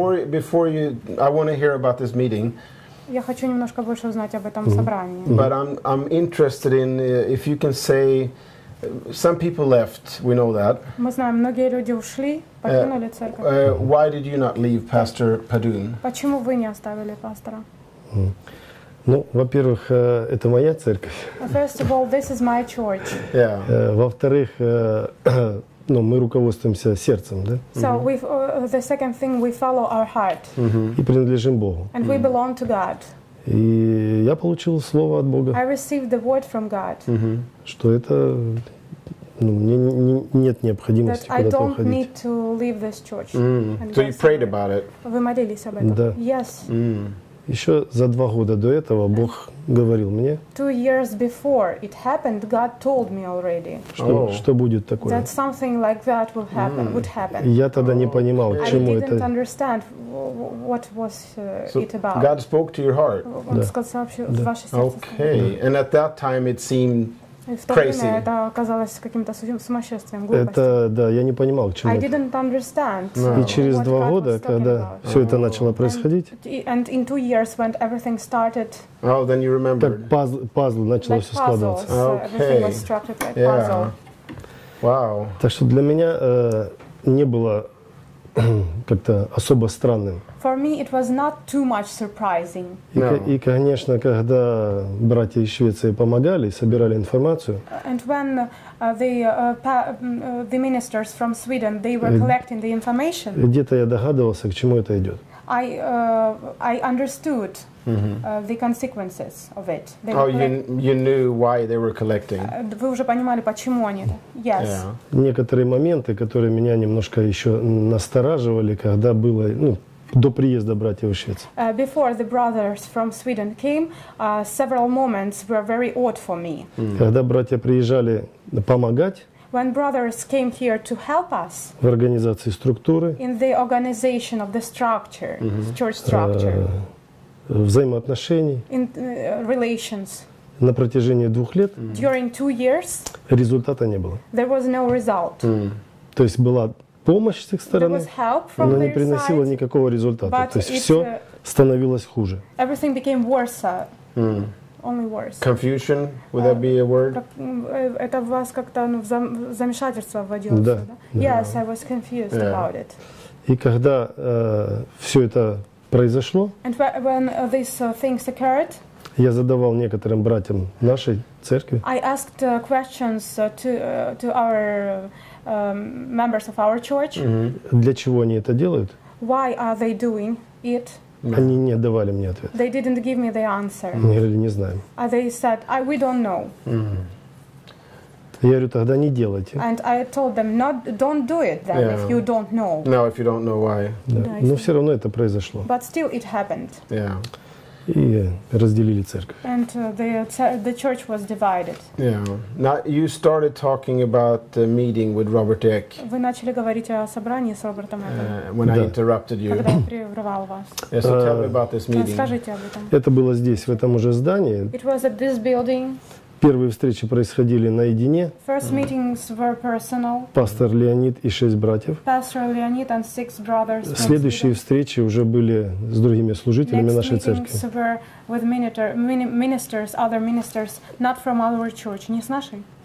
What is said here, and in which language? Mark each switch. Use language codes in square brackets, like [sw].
[en] Before you, I want to hear about this meeting. [ru] Я хочу немножко больше узнать об этом собрании. [en] But I'm interested in if you can say some people left. We know that. [ru] Мы знаем, многие люди ушли, покинули церковь. [en] Why did you not leave Pastor Padun? [ru] Почему вы не оставили пастора? Ну, во-первых, это моя церковь. [en] First of all, this is my church. Yeah. [ru] Во-вторых, мы руководствуемся сердцем, да? [en] So we, the second thing, we follow our heart. [ru] И принадлежим Богу. [en] And we belong to God. [ru] И я получил слово от Бога. [en] I received the word from God. [ru] Что это, мне нет необходимости куда-то уходить. [en] That I don't need to leave this church. So you prayed about it. [ru] Вы молились об этом? Да. [en] Yes. [ru] Еще за два года до этого Бог говорил мне. [en] 2 years before it happened, God told me already. [ru] Что будет такое? [en] That something like that will happen, would happen. [ru] Я тогда не понимал, чему это. [en] I didn't understand what was it about. God spoke to your heart. [ru] Он сказал сообщил ваше сердце. [en] Okay, and at that time it seemed crazy. [ru] Это оказалось каким-то сумасшествием, глупостью. Это да, я не понимал, к чему это. [en] I didn't understand. [ru] И через два года, когда все это начало происходить, [en] and in 2 years when everything started, oh, then you remembered. [ru] Как пазл начало все складываться. [en] Okay. Everything was structured like puzzle. Wow. [ru] Так что для меня не было как-то особо странным. [en] For me, it was not too much surprising. [ru] И, конечно, когда братья из Швеции помогали, собирали информацию. [en] And when the ministers from Sweden, they were collecting the information. [ru] Где-то я догадывался, к чему это идет. [en] I understood the consequences of it. They were you knew why they were collecting. [ru] Вы уже понимали, почему они это. [en] Yes. Yeah. [ru] Некоторые моменты, которые меня немножко еще настораживали, когда было, до приезда братьев из Швеции. [en] Before the brothers from Sweden came, several moments were very odd for me. [ru] Когда братья приезжали помогать, [en] when brothers came here to help us, [ru] в организации структуры, [en] in the organization of the structure, church structure, [ru] взаимоотношений, [en] in relations, [ru] на протяжении 2 лет, [en] during 2 years, [ru] результата не было. [en] There was no result. [ru] То есть была помощь с их стороны, но не приносила [en] side, [ru] никакого результата. То есть все становилось хуже. [en] Everything became worse. Only worse. Confusion, would that be a word? [ru] Это вас как-то замешательство вводило? Да. [en] Yes, I was confused about it. [ru] И когда все это произошло, [en] and when these things occurred, [ru] Я задавал некоторым братьям нашей церкви. [en] I asked questions to our members of our church. Mm-hmm. [ru] Для чего они это делают? [en] Why are they doing it? [ru] Yeah. Они не давали мне ответ. [en] They didn't give me the answer. [ru] Они говорили, не знаем. [en] They said, we don't know. Mm-hmm. [ru] Я говорю, тогда не делайте. [en] And I told them, don't do it then, yeah. If you don't know. No, if you don't know why. Yeah. [ru] Но все равно это произошло. [en] But still it happened. Yeah. [ru] И разделили церковь. [en] And the church was divided. Yeah. Now you started talking about the meeting with Robert Eck. [ru] Вы начали говорить о собрании с Робертом Эком. [en] When I interrupted you. [ru] Когда я прервал вас. [en] Yeah, so tell me about this meeting. [ru] Расскажите об этом. Это было здесь, в этом же здании. [en] It was at this building. [ru] Первые встречи происходили наедине. [en] First meetings were personal. [ru] Пастор Леонид и шесть братьев. [en] Pastor Leonid and six brothers. [ru] Следующие встречи уже были с другими служителями нашей церкви. [en] Next meetings were with ministers, other ministers, not from our church, [ru] не с нашей.